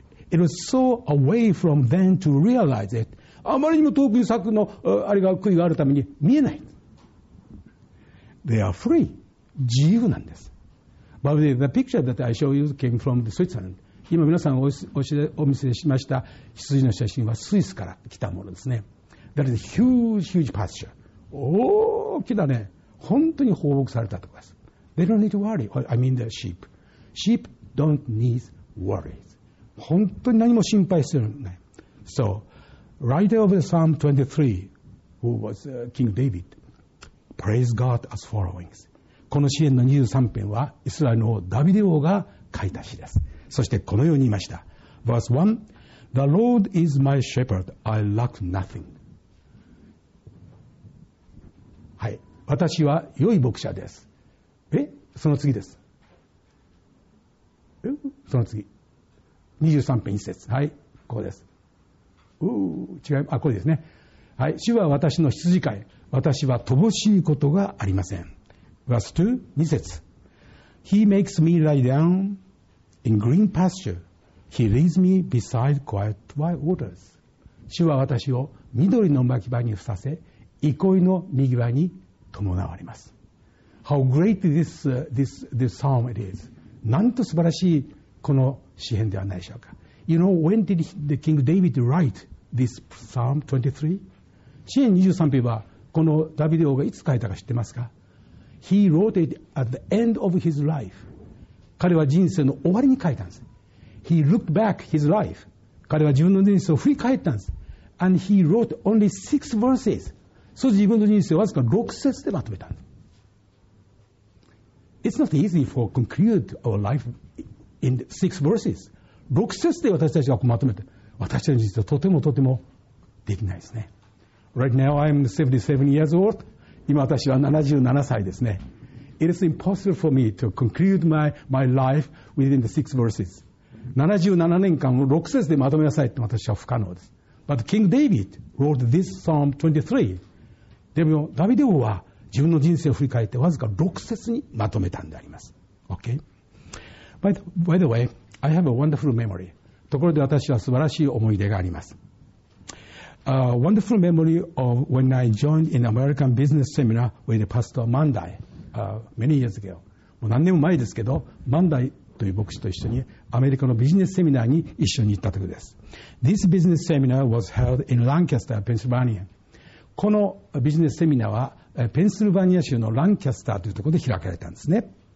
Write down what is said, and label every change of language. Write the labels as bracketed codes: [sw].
[en] It was so away from them to realize it. [ja] あまりにも遠くに柵の、あれが、杭があるために見えない。 [en] They are free. [ja] 自由なんです。 [en] By the way, the picture that I show you came from the Switzerland. [ja] 今皆さんお見せしました羊の写真はスイスから来たものですね。 [en] That is a huge, huge pasture. [ja] 大きなね、本当に放牧されたところです。 [en] They don't need to worry. I mean the sheep. Sheep don't need worries. [ja] 本当に何も心配するない。 [en] So, writer of the Psalm 23, who was King David, praise God as followings. [ja] この詩篇の23篇はイスラエルの王ダビデ王が書いた詩です。そしてこのように言いました。 [en] Verse 1, The Lord is my shepherd, I lack nothing. [ja] はい。私は良い牧者です。え？その次です。え？その次。23篇1節。はい。こうです。違います。あ、これですね。はい。主は私の羊飼い。私は乏しいことがありません。 [en] Verse 2, [ja] 2節。 [en] He makes me lie down in green pasture. He leads me beside quiet waters. [ja] 主は私を緑の牧場に伏させ、憩いの賑わいに伴われます。 [en] How great this psalm it is. [ja] なんと素晴らしいこの詩篇ではないでしょうか。 [en] You know, when did the King David write this Psalm 23? [ja] 詩篇23篇はこのダビデ王がいつ書いたか知ってますか？ [en] He wrote it at the end of his life. [ja] 彼は人生の終わりに書いたんです。 [en] He looked back his life. [ja] 彼は自分の人生を振り返ったんです。 [en] And he wrote only six verses. [ja] そう自分の人生をわずか6節でまとめたんです。 [en] It's not easy for conclude our life in six verses. [ja] 6節で私たちがまとめて、私たちの人生はとてもとてもできないですね。 [en] Right now I'm 77 years old. [ja] 今私は77歳ですね。 [en] It is impossible for me to conclude my life within the six verses. [ja] 77年間を6節でまとめなさいって私は不可能です。 [en] But King David wrote this Psalm 23. [ja] でもダビデ王は自分の人生を振り返ってわずか6節にまとめたんであります。 [en] Okay? By the way, I have a wonderful memory. [ja] ところで私は素晴らしい思い出があります。 [en] A wonderful memory of when I joined in American Business Seminar with Pastor Mandai, many years ago. [ja] もう何年も前ですけど、Mandai という牧師と一緒にアメリカのビジネスセミナーに一緒に行った時です。 [en] This business seminar was held in Lancaster, Pennsylvania. [ja] このビジネスセミナーはペンシルバニア州のランキャスターというところで開かれたんですね。